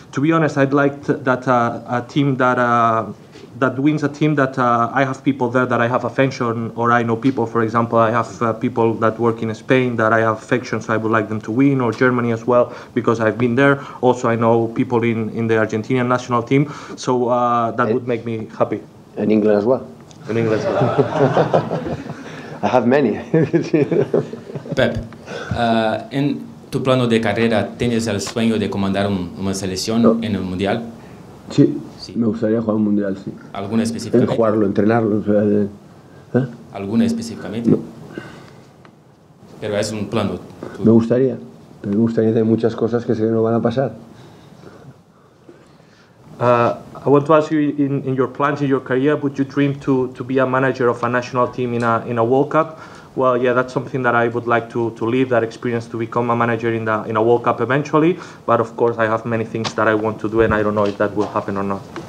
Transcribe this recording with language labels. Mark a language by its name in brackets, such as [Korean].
[English] To be honest, I'd like a team that... that wins a team that I have people there that I have affection or I know people, for example, I have people that work in Spain that I have affection, so I would like them to win, or Germany as well, because I've been there. Also, I know people in the Argentinian national team, so that would make me happy. In England as well? In England as well. I have many. [Spanish] Pep, en tu plano de carrera, ¿tienes el sueño de comandar una selección no. en el Mundial? Sí. Me gustaría jugar un mundial, sí. ¿Alguna específicamente? Jugarlo, entrenarlo. ¿Alguna específicamente? No. Pero es un plano. Me gustaría. Pero me gustaría hacer muchas cosas que sé que no van a pasar. [English] I want to ask you, in your plans, in your career, would you dream to be a manager of a national team in a World Cup? Well, yeah, that's something that I would like to leave that experience to become a manager in a World Cup eventually. But of course, I have many things that I want to do, and I don't know if that will happen or not.